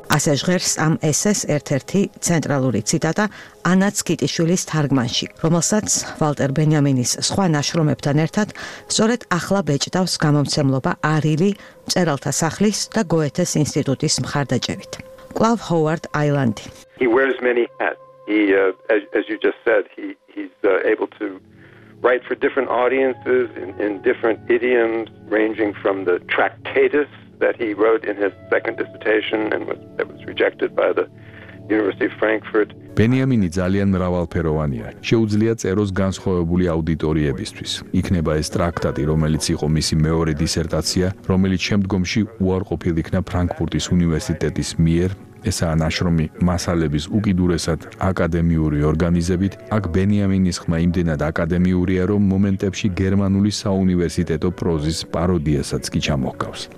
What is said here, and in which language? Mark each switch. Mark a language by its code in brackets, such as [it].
[ka] ასე ჟღერს ამ ესეს ერთ-ერთი ცენტრალური ციტატა ანაც კიტიშვილის თარგმანში, რომელსაც ვალტერ ბენიამინის სხვა ნაშრომებთან ერთად სწორედ ახლა ბეჭდავს გამომცემლობა არილი მწერალთა სახლის და გოეთეს ინსტიტუტის მხარდაჭერით. კლავ ჰოვარდ აილანდი. [en] He wears many hats. He as you just said, he's able to write for different audiences in different idioms, ranging from the Tractatus that he wrote in his second dissertation and that was rejected by the University of Frankfurt. [ka] ბენიამინი ძალიან მრავალფეროვანია. შეუძლია წეროს განსხვავებული აუდიტორიებისთვის. იქნება ეს ტრაქტატი, რომელიც იყო მისი მეორე დისერტაცია, რომელიც შემდგომში უარყოფილ იქნა ფრანკფურტის უნივერსიტეტის მიერ ესაა ნაშრომი მასალების უკიდურესად აკადემიური ორგანიზებით, აქ ბენიამინის ხმა იმდენად აკადემიურია, რომ მომენტებში გერმანული საუნივერსიტეტო პროზის პაროდიასაც კი ჩამოჰგავს.